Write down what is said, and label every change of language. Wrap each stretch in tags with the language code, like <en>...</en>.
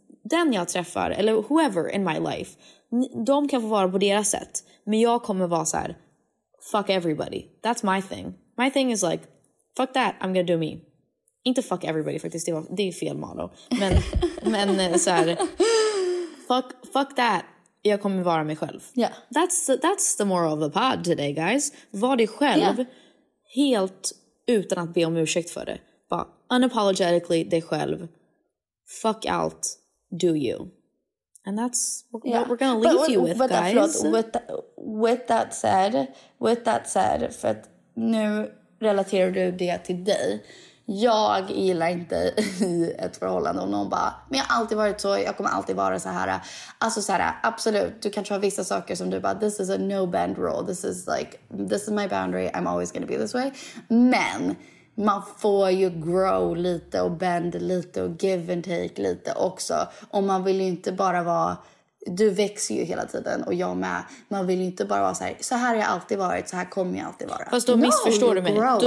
<sv>Den jag träffar, eller</sv> <en>whoever in my life,</en> <sv>de kan få vara på deras sätt. Men jag kommer vara så här,</sv> <en>fuck everybody. That's my thing. My thing is like, fuck that, I'm gonna do me.</en> <sv>Inte fuck everybody faktiskt, det är fel motto. Men, men så här,</sv> <en>fuck that,</en> <sv>jag kommer vara mig själv.</sv> <en>Yeah. That's the moral of the pod today, guys.</en> <sv>Var dig själv, yeah. Helt utan att be om ursäkt för det. Bara unapologetically dig själv. Fuck out, do you.</sv> <en>And that's what, yeah, we're going to leave you with, but guys.</en> <sv>With that said, för att nu relaterar du det till dig. Jag gillar inte i ett förhållande om någon bara, men jag har alltid varit så, jag kommer alltid vara så här. Alltså så här, absolut, du kanske har vissa saker som du bara,</sv> <en>this is a no-bend rule. This is like, this is my boundary, I'm always going to be this way.</en> <sv>Men man får ju grow lite och bend lite och</sv> <en>give and take</en> <sv>lite också. Och man vill ju inte bara vara, du växer ju hela tiden och jag med. Man vill ju inte bara vara så här har jag alltid varit, så här kommer jag alltid vara. Fast då missförstår du mig.</sv>